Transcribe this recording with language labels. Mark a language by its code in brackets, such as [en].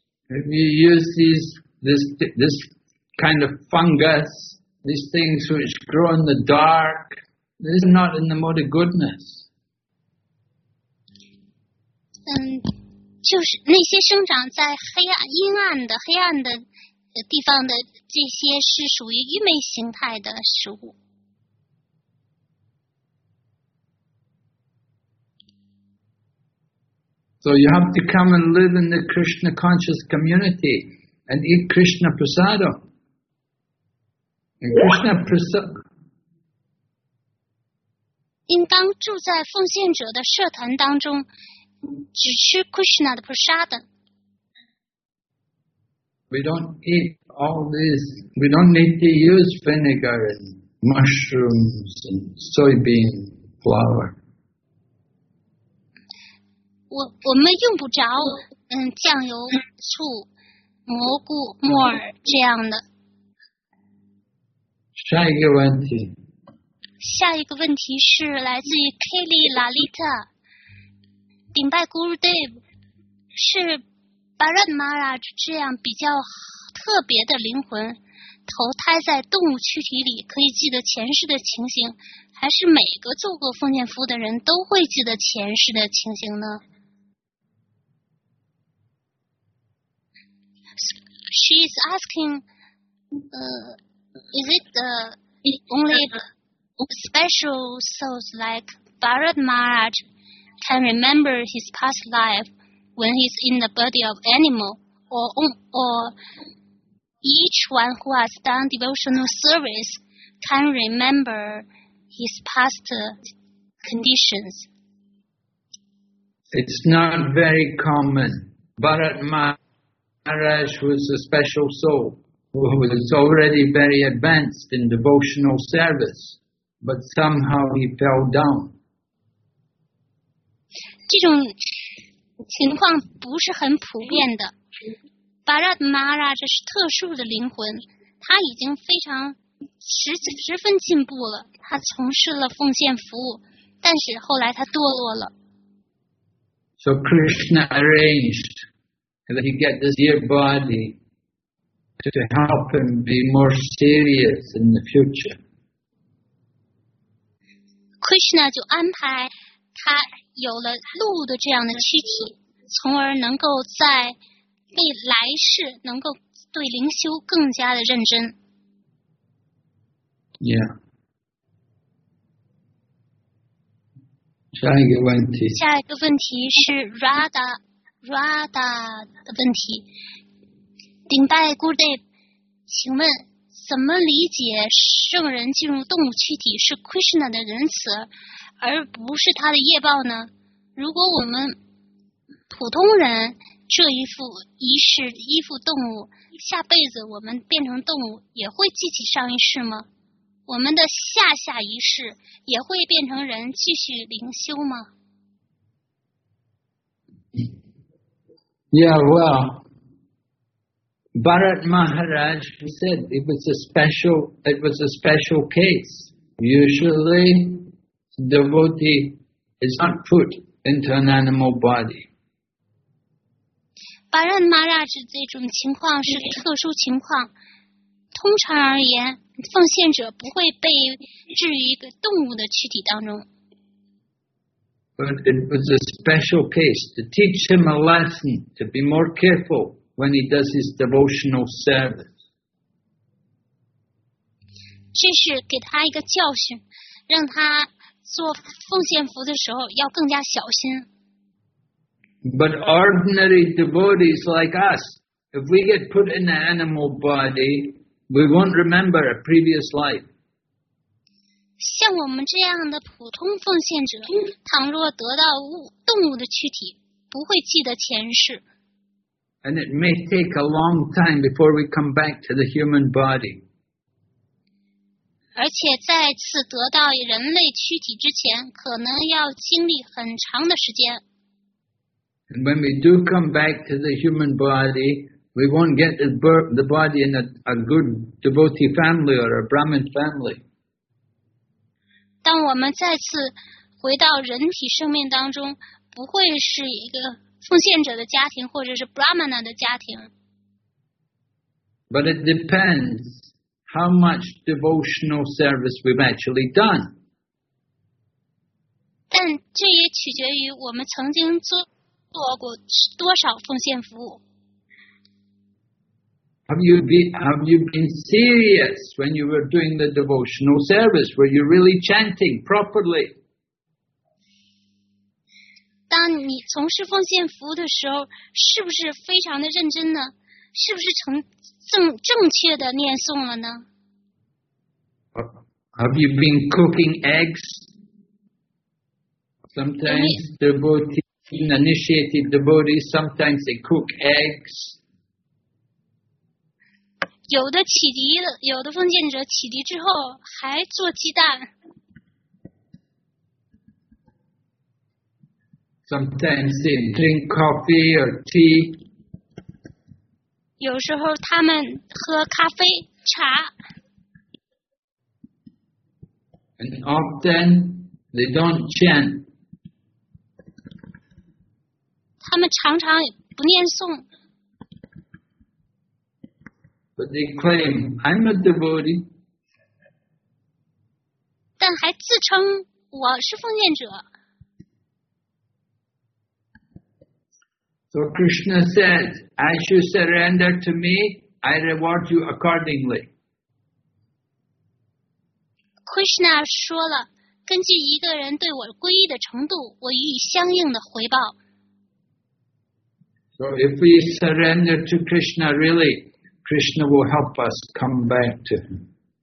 [en] If you use this kind of fungus, these things which grow in the dark, this is not in the mode of goodness. [zh] 就是那些生长在黑暗、阴暗的、黑暗的地方的这些是属于愚昧形态的食物。 [en] So you have to come and live in the Krishna conscious community and eat Krishna prasada. And Krishna prasada. [zh] 应当住在奉献者的社团当中。只吃 Krishna 的 prasada. [en] We don't eat all this. We don't need to use vinegar and mushrooms and soybean flour. [zh] 我们用不着酱油、醋、蘑菇、木耳这样的。下一个问题。下一个问题是来自于 Kelly Lalita。顶拜 Guru Dev 是 Bharat Maharaj 这样比较特别的灵魂投胎在动物躯体里可以记得前世的情形，还是每个做过奉献服务的人都会记得前世的情形呢？ [en] She is asking is it only special souls like Bharat Maharajcan remember his past life when he's in the body of animal, or each one who has done devotional service can remember his past conditions. It's not very common. Bharat Maharaj was a special soul who was already very advanced in devotional service, but somehow he fell down. [zh] 这种情况不是很普遍的。 Bharat Maharaj 这是特殊的灵魂，他已经非常十分进步了。他从事了奉献服务，但是后来他堕落了。 [en] So Krishna arranged that he get this dear body to help him be more serious in the future. [zh] Krishna 就安排他。有了鹿的这样的躯体，从而能够在为来世能够对灵修更加的认真。 Yeah. 下一个问题。下一个问题是 Radha 的问题。顶拜 Gurudev， 请问怎么理解圣人进入动物躯体是 Krishna 的仁慈，而不是他的业报呢？如果我们普通人这一副仪式依附动物，下辈子我们变成动物也会记起上一世吗？我们的下下一世也会变成人继续灵修吗 [en] ？Yeah, well, Bharat Maharaj said it was a special case. Usually, devotee is not put. Into an animal body. [zh] Bharat Maharaj 这种情况是特殊情况。通常而言，奉献者不会被置于一个动物的躯体当中。 [en] But it was a special case to teach him a lesson to be more careful when he does his devotional service. [zh] 这是给他一个教训，让他。做奉献服的时候要更加小心。 [en] But ordinary devotees like us, if we get put in an animal body, we won't remember a previous life. [zh] 像我们这样的普通奉献者，倘若得到动物的躯体，不会记得前世。 [en] And it may take a long time before we come back to the human body. [zh] 而且在此得到人类躯体之前，可能要经历很长的时间。 [en] And when we do come back to the human body, we won't get the body in a good devotee family or a Brahmin family. [zh] 当我们再次回到人体生命当中，不会是一个奉献者的家庭或者是 Brahmana 的家庭。 [en] But it depends how much devotional service we've actually done. [zh] 但这也取决于我们曾经做过多少奉献服务。 [en] Have you been serious when you were doing the devotional service? Were you really chanting properly? [zh] 当你从事奉献服务的时候，是不是非常的认真呢？是不是正确的念诵了呢？ [en] Have you been cooking eggs? Sometimes initiated devotees, sometimes they cook eggs. [zh] 有的奉献者启迪之后还做鸡蛋。 [en] Sometimes they drink coffee or tea. [zh] 有时候他们喝咖啡、茶。 [en] And often they don't chant. [zh] 他们常常不念诵。 [en] But they claim, I'm a devotee. [zh] 但还自称我是奉献者。 [en] So Krishna says, as you surrender to me, I reward you accordingly. [zh] Krishna 说了，根据一个人对我皈依的程度，我予以相应的回报。 [en] So if we surrender to Krishna really,Krishna will help us come back to him.